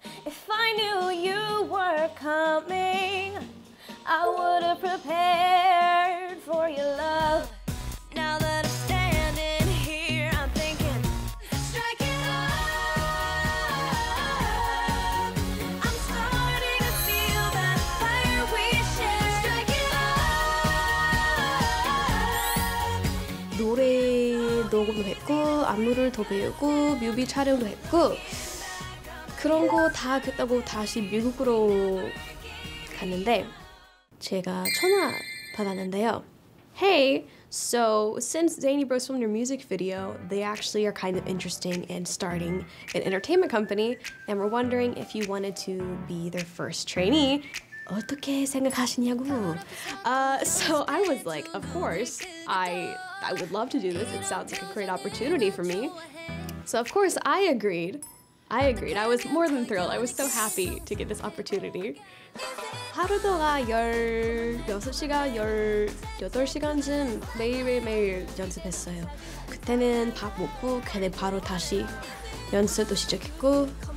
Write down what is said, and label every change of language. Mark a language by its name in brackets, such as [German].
[English] If I knew you were coming, I would have prepared for your love. Now that I'm standing here, I'm thinking, strike it up. I'm starting to feel that fire we share. Strike it up. [Korean] 노래 녹음도 했고, 안무를 더 배우고, 뮤비 촬영도 했고, 그런 거 다 했다고 다시 미국으로 갔는데, 제가 전화 받았는데요. [English] Hey, so since Zany Bros filmed your music video, they actually are kind of interesting in starting an entertainment company, and we're wondering if you wanted to be their first trainee. [Korean] 어떻게 생각하시냐고? [English] So I was like, of course, I would love to do this. It sounds like a great opportunity for me. So of course, I agreed. I was more than thrilled. I was so happy to get this opportunity. [Korean] 하루도가 16시간, 18시간쯤 매일매일 연습했어요. 그때는 밥 먹고 그냥 바로 다시 연습도 시작했고.